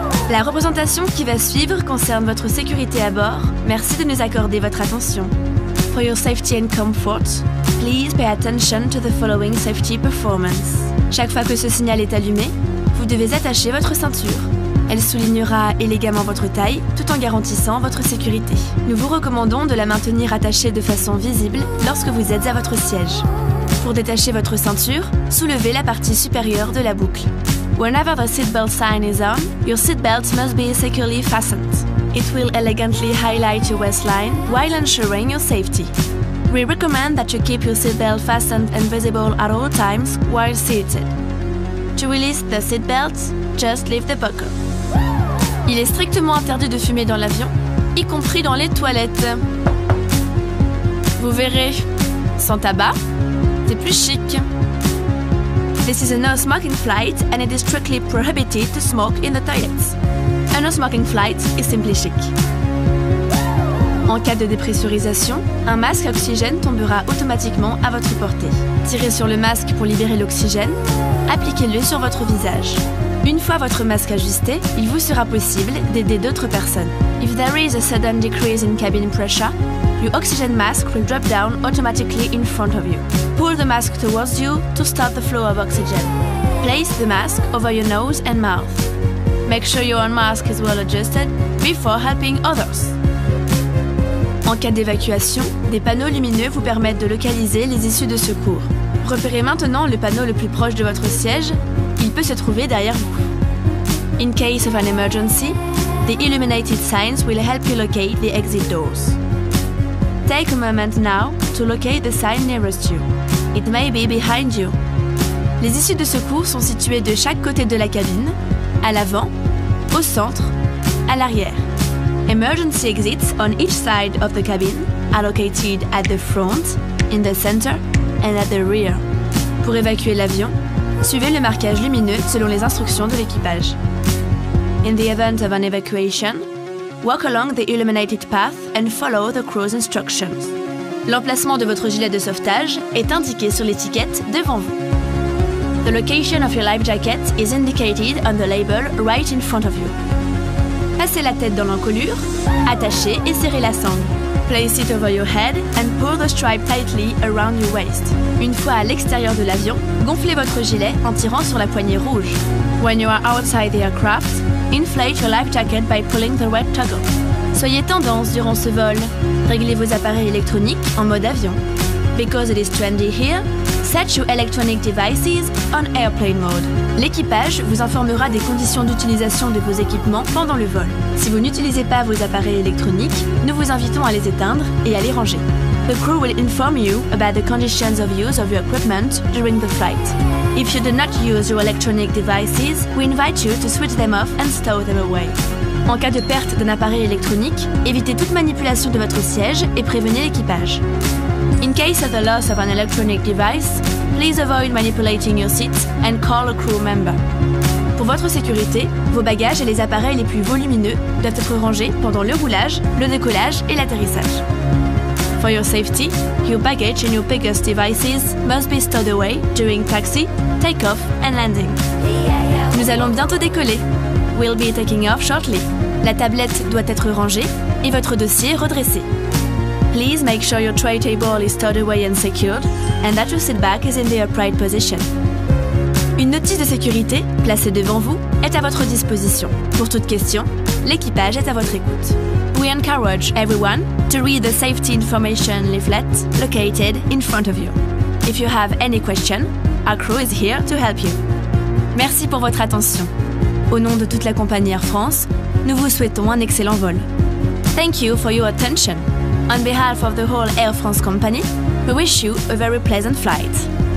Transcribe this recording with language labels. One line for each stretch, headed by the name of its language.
French: La représentation qui va suivre concerne votre sécurité à bord. Merci de nous accorder votre attention.
English: For your safety and comfort, please pay attention to the following safety performance.
French: Chaque fois que ce signal est allumé, vous devez attacher votre ceinture. Elle soulignera élégamment votre taille tout en garantissant votre sécurité. Nous vous recommandons de la maintenir attachée de façon visible lorsque vous êtes à votre siège. Pour détacher votre ceinture, soulevez la partie supérieure de la boucle.
English: Whenever the seatbelt sign is on, your seatbelt must be securely fastened. It will elegantly highlight your waistline while ensuring your safety. We recommend that you keep your seatbelt fastened and visible at all times while seated. To release the seatbelt, just leave the buckle.
French: Il est strictement interdit de fumer dans l'avion, y compris dans les toilettes. Vous verrez, sans tabac, c'est plus chic.
English: This is a no-smoking flight and it is strictly prohibited to smoke in the toilets. A no-smoking flight is simply chic.
French: En cas de dépressurisation, un masque à oxygène tombera automatiquement à votre portée. Tirez sur le masque pour libérer l'oxygène, appliquez-le sur votre visage. Une fois votre masque ajusté, il vous sera possible d'aider d'autres personnes.
English: If there is a sudden decrease in cabin pressure, your oxygen mask will drop down automatically in front of you. Pull the mask towards you to start the flow of oxygen. Place the mask over your nose and mouth. Make sure your own mask is well adjusted before helping others.
French: En cas d'évacuation, des panneaux lumineux vous permettent de localiser les issues de secours. Repérez maintenant le panneau le plus proche de votre siège. Il peut se trouver derrière vous.
English: In case of an emergency, the illuminated signs will help you locate the exit doors. Take a moment now to locate the sign nearest you. It may be behind you.
French: Les issues de secours sont situées de chaque côté de la cabine, à l'avant, au centre, à l'arrière.
English: Emergency exits on each side of the cabin are located at the front, in the center, and at the rear.
French: Pour évacuer l'avion, suivez le marquage lumineux selon les instructions de l'équipage.
English: In the event of an evacuation, walk along the illuminated path and follow the crew's instructions.
French: L'emplacement de votre gilet de sauvetage est indiqué sur l'étiquette devant vous.
English: The location of your life jacket is indicated on the label right in front of you.
French: Passez la tête dans l'encolure, attachez et serrez la sangle.
English: Place it over your head and pull the stripe tightly around your waist.
French: Une fois à l'extérieur de l'avion, gonflez votre gilet en tirant sur la poignée rouge.
English: When you are outside the aircraft, inflate your life jacket by pulling the red toggle.
French: Soyez tendance durant ce vol. Réglez vos appareils électroniques en mode avion.
English: Because it is trendy here, set your electronic devices on airplane mode.
French: L'équipage vous informera des conditions d'utilisation de vos équipements pendant le vol. Si vous n'utilisez pas vos appareils électroniques, nous vous invitons à les éteindre et à les ranger.
English: The crew will inform you about the conditions of use of your equipment during the flight. If you do not use your electronic devices, we invite you to switch them off and stow them away.
French: En cas de perte d'un appareil électronique, évitez toute manipulation de votre siège et prévenez l'équipage.
English: In case of the loss of an electronic device, please avoid manipulating your seat and call a crew member.
French: Pour votre sécurité, vos bagages et les appareils les plus volumineux doivent être rangés pendant le roulage, le décollage et l'atterrissage.
English: For your safety, your baggage and your biggest devices must be stowed away during taxi, take-off and landing.
French: Nous allons bientôt décoller.
English: We'll be taking off shortly.
French: La tablette doit être rangée et votre dossier redressé.
English: Please make sure your tray table is stowed away and secured and that your seat back is in the upright position.
French: Une notice de sécurité, placée devant vous, est à votre disposition. Pour toute question, l'équipage est à votre écoute.
English: We encourage everyone to read the safety information leaflet located in front of you. If you have any question, our crew is here to help you.
French: Merci pour votre attention. Au nom de toute la compagnie Air France, nous vous souhaitons un excellent vol.
English: Thank you for your attention. On behalf of the whole Air France company, we wish you a very pleasant flight.